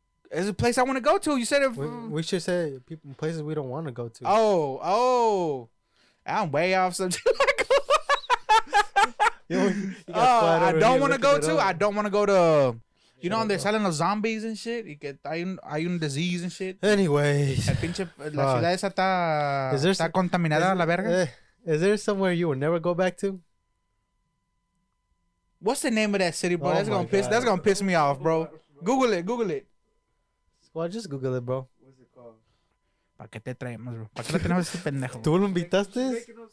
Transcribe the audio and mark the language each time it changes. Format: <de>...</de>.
<en>It's a place I want to go to. You said it. We should say people, places we don't want to go to. Oh. I'm way off subject. I don't want to go to. I don't want to go to. You know, they're selling the zombies and shit. You get</en> <es>hay un</es> <en>disease and shit. Anyways.</en> <es>La pinche, la ciudad esa está contaminada a la verga.</es> <en>Is there somewhere you will never go back to? What's the name of that city, bro? Oh, that's gonna piss me off, bro. Google it. Google it. Well, just Google it, bro. What's it called?</en> <es>¿Para qué te traemos, bro? ¿Para qué lo tenemos este pendejo? ¿Tú lo invitaste?</es>